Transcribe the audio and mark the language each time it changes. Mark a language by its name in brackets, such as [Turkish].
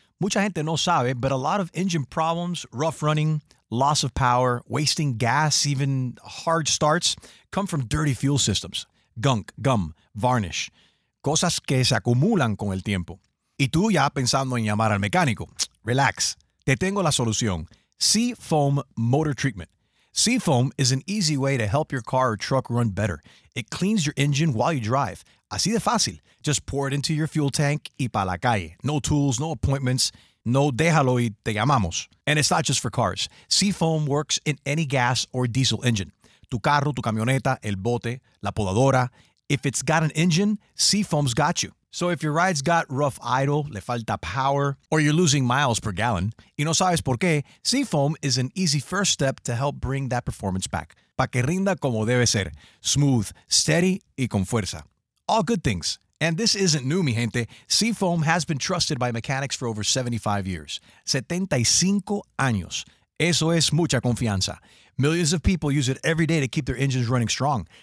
[Spanish] Mucha gente no sabe, [English] but a lot of engine problems, rough running, loss of power, wasting gas, even hard starts, come from dirty fuel systems. Gunk, gum, varnish. [Spanish] Cosas que se acumulan con el tiempo. Y tú ya pensando en llamar al mecánico. Relax. Te tengo la solución. Seafoam Motor Treatment. [English] Seafoam is an easy way to help your car or truck run better. It cleans your engine while you drive. [Spanish] Así de fácil. [English] Just pour it into your fuel tank [Spanish] y pa' la calle. [English] No tools, no appointments. [Spanish] No déjalo y te llamamos. [English] And it's not just for cars. Seafoam works in any gas or diesel engine. [Spanish] Tu carro, tu camioneta, el bote, la podadora. [English] If it's got an engine, Seafoam's got you. So if your ride's got rough idle, [Spanish] le falta power, [English] or you're losing miles per gallon, [Spanish] y no sabes por qué, [English] Seafoam is an easy first step to help bring that performance back. [Spanish] para que rinda como debe ser, [English] smooth, steady [Spanish] y con fuerza. [English] All good things. And this isn't new, [Spanish] mi gente. [English] Seafoam has been trusted by mechanics for over 75 years. [Spanish] 75 años. Eso es mucha confianza. [English] Millions of people use it every day to keep their engines running strong.